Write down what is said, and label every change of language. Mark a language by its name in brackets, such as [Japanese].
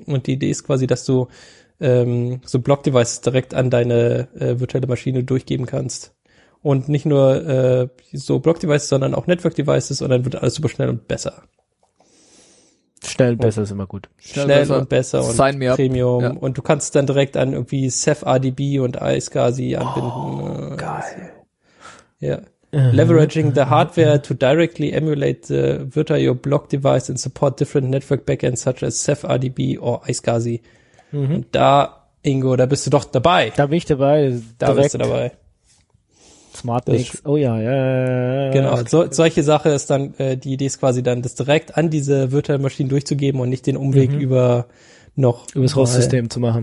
[German] Und die Idee ist quasi, dass du so Block-Devices direkt an deine virtuelle Maschine durchgeben kannst. Und nicht nur so Block-Devices, sondern auch Network-Devices, und dann wird alles super schnell und besser. Schnell und besser ist immer gut. Schnell besser. Und besser und [English] Sign me up. [German] Premium. Ja. Und du kannst dann direkt an irgendwie CephRDB und iSCSI anbinden. Oh, geil. Ja. [English] Leveraging the hardware to directly emulate the virtual block device and support different network backends such as CephRDB or iSCSI. Mhm. [German] Und da, Ingo, da bist du doch dabei. Da bin ich dabei. Da bist du dabei. Smart Links. Oh ja, ja. Genau. Okay. Solche Sache ist dann, die Idee ist quasi dann, das direkt an diese virtuelle Maschine durchzugeben und nicht den Umweg über noch. Über das Host-System zu machen.